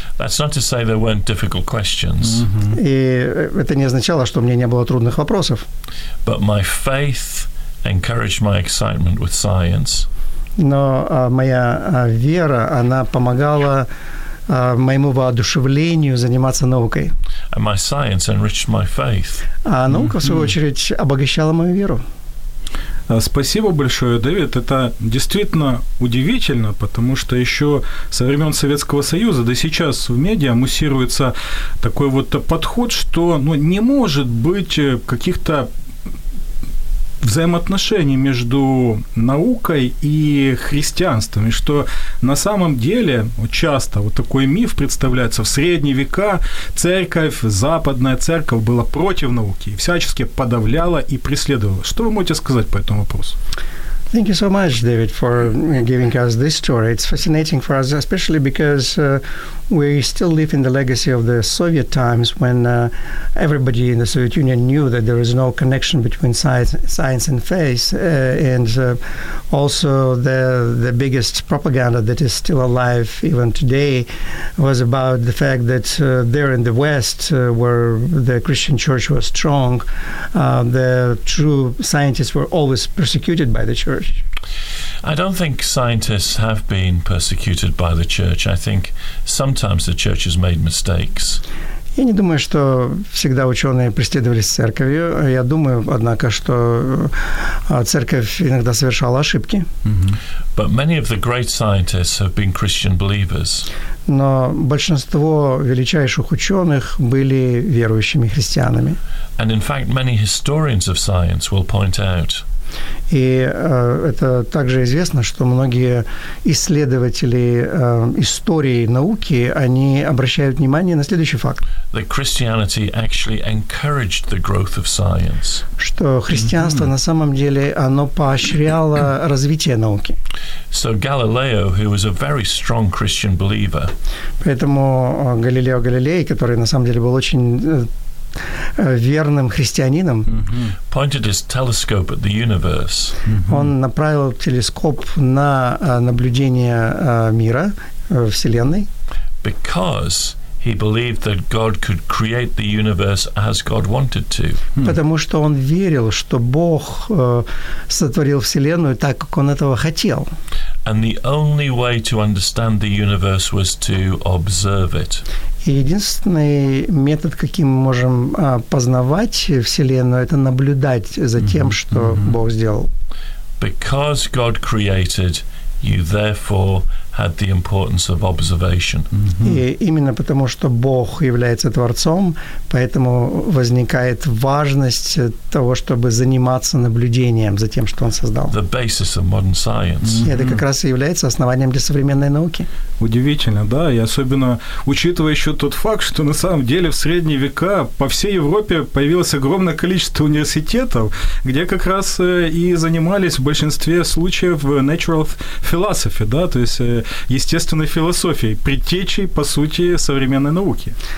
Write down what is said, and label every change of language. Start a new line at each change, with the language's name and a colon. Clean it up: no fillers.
English: That's not to say there weren't difficult questions.
Russian: И это не означало, что у меня не было трудных вопросов.
English: But my faith encouraged my excitement with science.
Russian: Но моя вера, она помогала моему воодушевлению заниматься наукой.
English: And my science enriched my faith.
Russian: А наука, в свою очередь, обогащала мою веру. Спасибо большое, Дэвид. Это действительно удивительно, потому что еще со времен Советского Союза до сейчас в медиа муссируется такой вот подход, что ну, не может быть каких-то взаимоотношений между наукой и христианством, и что на самом деле часто вот такой миф представляется: в средние века церковь, западная церковь была против науки, всячески подавляла и преследовала. Что вы можете сказать по этому вопросу?
English: Thank you so much, David, for giving us this story. It's fascinating for us, especially because we still live in the legacy of the Soviet times when everybody in the Soviet Union knew that there is no connection between science and faith, and also the biggest propaganda that is still alive even today was about the fact that there in the West, where the Christian church was strong, the true scientists were always persecuted by the church. I don't think scientists have been persecuted by the church. I think sometimes the church has made mistakes.
Russian: Я не думаю, что всегда ученые преследовались церковью. Я думаю, однако, что церковь иногда совершала ошибки.
English: But many of the great scientists have been Christian believers.
Russian: Но большинство величайших ученых были верующими христианами.
English: And in fact, many historians of science will point out.
Russian: И это также известно, что многие исследователи истории науки, они обращают внимание на следующий факт.
English: That Christianity actually encouraged the growth of science.
Russian: Что христианство на самом деле, оно поощряло развитие науки.
English: So Galileo, who was a very strong Christian believer.
Russian: Поэтому Галилео Галилей, который на самом деле был очень верным христианином,
English: pointed his telescope at the universe.
Russian: Он направил телескоп на наблюдение мира, Вселенной.
English: Because he believed that God could create the universe as God wanted to.
Russian: Потому что он верил, что Бог сотворил Вселенную так, как он этого хотел.
English: And the only way to understand the universe was to observe it.
Russian: И единственный метод, каким мы можем познавать Вселенную, это наблюдать за тем, что Бог сделал.
English: Because God created, you therefore had the importance of observation.
Russian: И именно потому, что Бог является Творцом, поэтому возникает важность того, чтобы заниматься наблюдением за тем, что Он создал.
English: The basis of modern science.
Russian: И это как раз и является основанием для современной науки. Удивительно, да, и особенно учитывая еще тот факт, что на самом деле в средние века по всей Европе появилось огромное количество университетов, где как раз и занимались в большинстве случаев natural philosophy, да, то есть естественной философией, предтечей, по сути, современной науки.